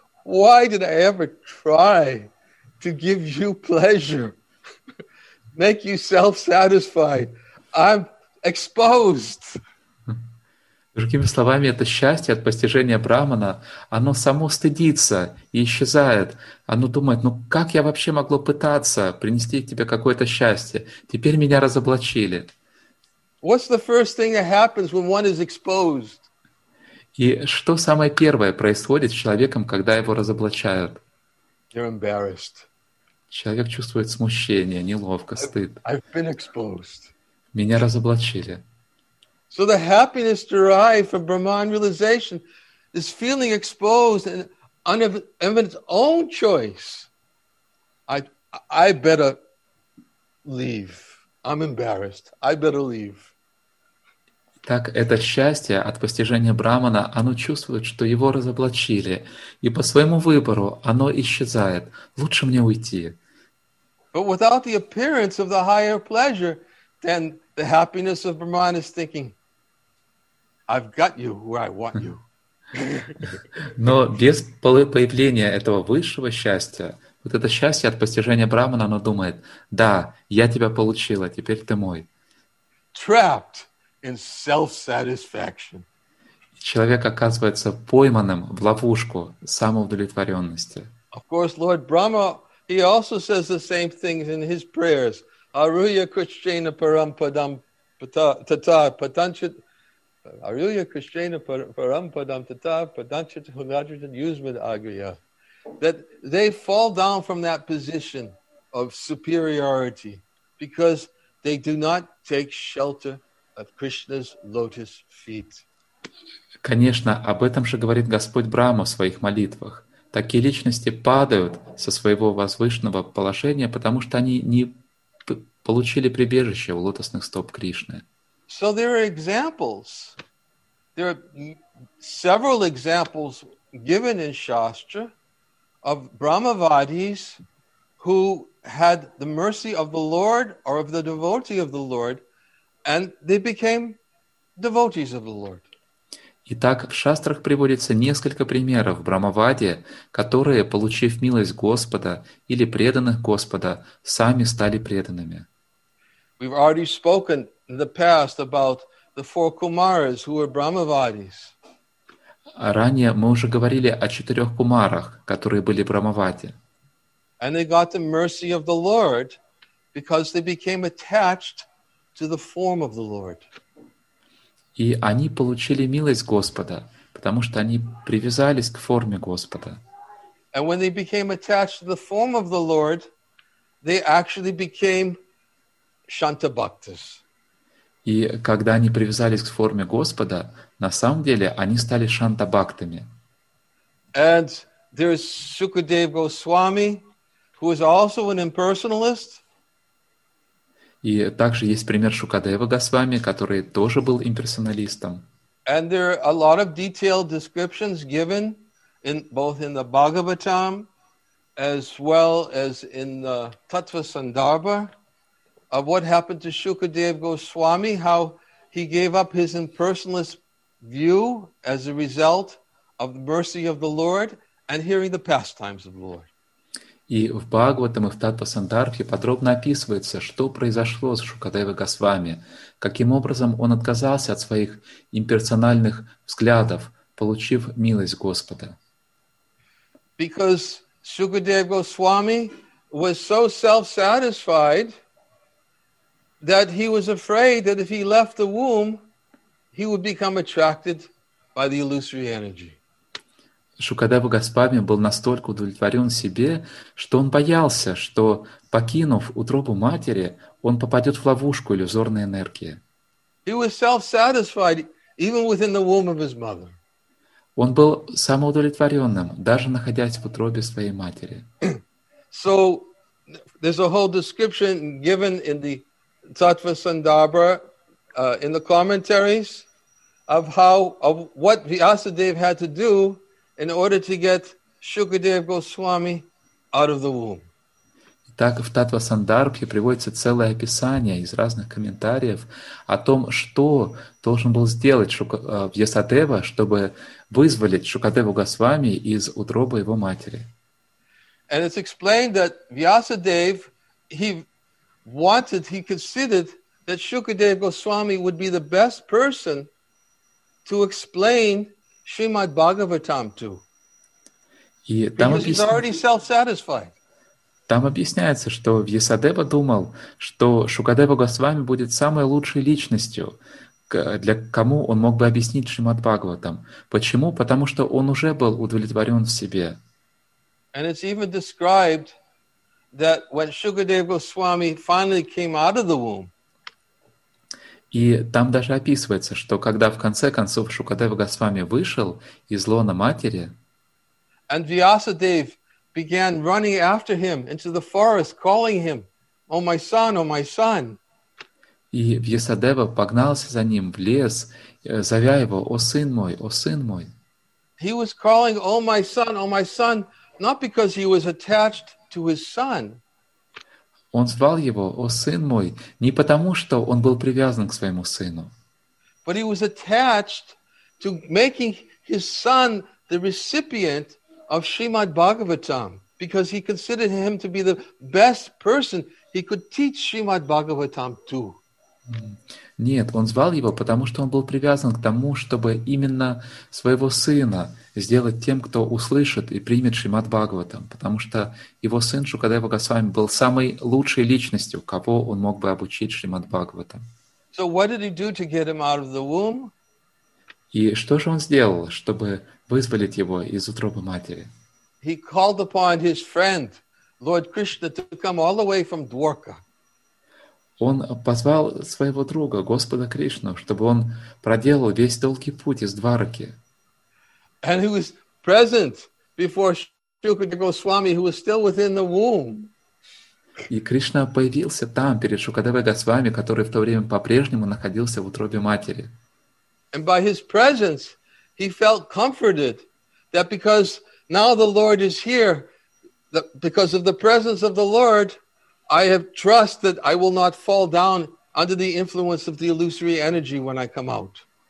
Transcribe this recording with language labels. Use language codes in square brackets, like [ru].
[en] Why did I ever try to give you pleasure, make you self-satisfied? I'm exposed. [ru] Другими словами, это счастье от постижения Брахмана, оно само стыдится и исчезает. Оно думает, ну как я вообще могло пытаться принести тебе какое-то счастье? Теперь меня разоблачили. [en] What's the first thing that happens when one is exposed? [ru] И что самое первое происходит с человеком, когда его разоблачают? [en] You're embarrassed. [ru] Человек чувствует смущение, неловко, стыд. [en] I've been exposed. [ru] Меня разоблачили. [en] So the happiness derived from Brahman realization is feeling exposed and of its own choice. I better leave. I'm embarrassed. I better leave. [ru] Так это счастье от постижения Брахмана, оно чувствует, что его разоблачили, и по своему выбору оно исчезает. Лучше мне уйти. [en] But without the appearance of the higher pleasure, then the happiness of Brahman is thinking, I've got you where I want you. [ru] Но без появления этого высшего счастья, вот это счастье от постижения Брахмана, оно думает, да, я тебя получила, теперь ты мой. [en] Trapped in self-satisfaction. [ru] Человек оказывается пойманным в ловушку самоудовлетворенности. [en] Of course, Lord Brahma, he also says the same things in his prayers. [sa] Aruya Krishna Param Padam Tata Patanchit. Aruya Krishna Param Padam Tata Patanchit Hunadrajan Yuzmad Agriya. [en] That they fall down from that position of superiority because they do not take shelter of Krishna's lotus feet. [ru] Конечно, об этом же говорит Господь Брама в своих молитвах. Такие личности падают со своего возвышенного положения, потому что они не получили прибежище у лотосных стоп Кришны. [en] So there are examples. There are several examples given in Shastra of Brahmavadis who had the mercy of the Lord or of the devotee of the Lord, and they became devotees of the Lord. [ru] Итак, в шастрах приводится несколько примеров брахмавади, которые, получив милость Господа или преданных Господа, сами стали преданными. [en] We've already spoken in the past about the four kumaras who were brahmavadis. [ru] Ранее мы уже говорили о четырех кумарах, которые были брахмавади. [en] And they got the mercy of the Lord because they became attached to the form of the Lord. [ru] И они получили милость Господа, потому что они привязались к форме Господа. [en] And when they became attached to the form of the Lord, they actually became Shantabhaktas. [ru] И когда они привязались к форме Господа, на самом деле они стали Шантабхактами. [en] And There is Sukadev Goswami, who is also an impersonalist. [ru] И также есть пример Шукадева Госвами, который тоже был имперсоналистом. [en] And there are a lot of detailed descriptions given in both in the Bhagavatam as well as in the Tattva Sandarbha of what happened to Shukadev Goswami, how he gave up his impersonalist view as a result of the mercy of the Lord and hearing the pastimes of the Lord. [ru] И в Бхагаватам и в Таттва-сандарбхе подробно описывается, что произошло с Шукадевой Госвами, каким образом он отказался от своих имперсональных взглядов, получив милость Господа. [en] Because Shukadev Goswami was so self-satisfied that he was afraid that if he left the womb, he would become attracted by the illusory energy. [ru] Шукадева Госвами был настолько удовлетворен себе, что он боялся, что, покинув утробу матери, он попадет в ловушку иллюзорной энергии. [en] He was self-satisfied even within the womb of his mother. [ru] Он был самоудовлетворенным, даже находясь в утробе своей матери. [en] So, there's a whole description given in the Tattva Sandarbha, in the commentaries, of how, of what Vyasadeva had to do in order to get Shukadev Goswami out of the womb. [ru] Итак, в Таттва Сандарбхе приводится целое описание из разных комментариев о том, что должен был сделать Вьясадева, чтобы вызволить Шукадеву Госвами из утробы его матери. [en] And it's explained that Vyasadeva, he considered that Shukadev Goswami would be the best person to explain Shrimad Bhagavatam too. He's already self-satisfied. [ru] Там объясняется, что Вьясадева думал, что Шукадева Госвами будет самой лучшей личностью, для кому он мог бы объяснить Шримад Бхагаватам. Почему? Потому что он уже был удовлетворен в себе. [en] And it's even described that when Shukadev Goswami finally came out of the womb, [ru] и там даже описывается, что когда в конце концов Шукадева Госвами вышел из лона матери, [en] and Vyasadev began running after him into the forest, calling him, "O my son, O my son!" [ru] И Вьясадева погнался за ним в лес, зовя его, "О сын мой, о сын мой!" [en] He was calling, "O my son, O my son!" Not because he was attached to his son. [ru] Он звал его, "О сын мой!" Не потому, что он был привязан к своему сыну. [en] But he was attached to making his son the recipient of Srimad Bhagavatam, because he considered him to be the best person he could teach Srimad Bhagavatam to. [ru] Нет, он звал его, потому что он был привязан к тому, чтобы именно своего сына сделать тем, кто услышит и примет Шримад Бхагаватам, потому что его сын Шукадева Госвами был самой лучшей личностью, кого он мог бы обучить Шримад Бхагаватам. [en] So what did he do to get him out of the womb? [ru] И что же он сделал, чтобы вызволить его из утробы матери? [en] He called upon his friend, Lord Krishna, to come all the way from Dwarka. [ru] Он позвал своего друга, Господа Кришну, чтобы он проделал весь долгий путь из Двараки. [en] And he was present before Shukadev Goswami, who was still within the womb. [ru] И Кришна появился там, перед Шукадевой Госвами, который в то время по-прежнему находился в утробе матери. [en] And by his presence, he felt comforted that because now the Lord is here, that because of the presence of the Lord, I have trust that I will not fall down under the influence of the illusory energy when I come out.